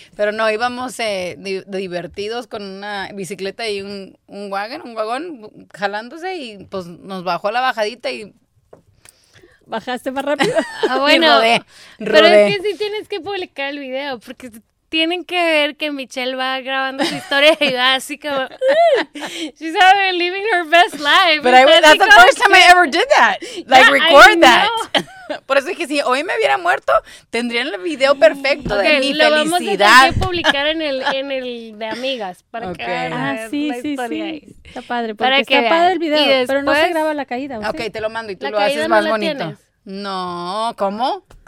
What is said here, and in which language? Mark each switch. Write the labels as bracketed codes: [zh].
[es] Pero no, íbamos divertidos con una bicicleta y un wagon jalándose y pues nos bajó la bajadita y... ¿Bajaste más rápido? Ah, bueno. Rodé. Pero es que sí tienes que publicar el video porque... Tienen que ver que Michelle va grabando su historia y va así como... [en] She's having, living her best life. But that's the first time I ever did that. Like, yeah, record that. [es] Por eso es que si hoy me hubiera muerto, tendrían el video perfecto de mi felicidad. Lo vamos a tener que publicar en el de amigas para que vean la historia. Ahí. Está padre, porque está padre el video, después, pero no se graba la caída. ¿Sí? Ok, te lo mando y tú lo haces más bonito. No, ¿cómo?